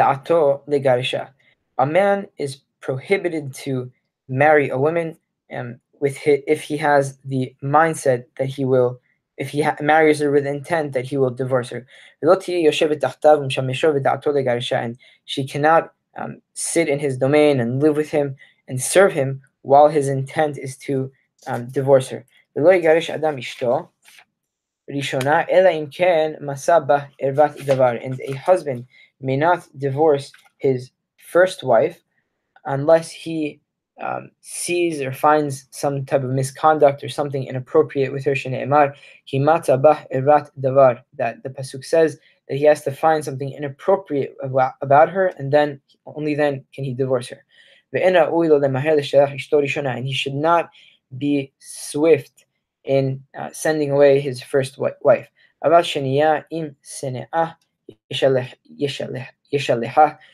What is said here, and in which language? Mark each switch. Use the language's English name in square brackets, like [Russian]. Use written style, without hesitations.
[English] A man is prohibited to marry a woman if he marries her with intent that he will divorce her. And she cannot sit in his domain and live with him and serve him while his intent is to divorce her. [Hebrew] ולא יגרש אדם אשתו ראשונה, אלא אם כן מסה בה ערוות דבר. [English] And a husband may not divorce his first wife unless he sees or finds some type of misconduct or something inappropriate with her. [Hebrew] שנאמר, כי מצא בה ערוות דבר. [English] That the pasuk says that he has to find something inappropriate about her, and then only then can he divorce her. [Hebrew] ואין ראוי לו למהר לשלח אשתו ראשונה, [English] and he should not be swift in sending away his first wife. [Hebrew] אבל שנייה, אם שנאה, ישלחה.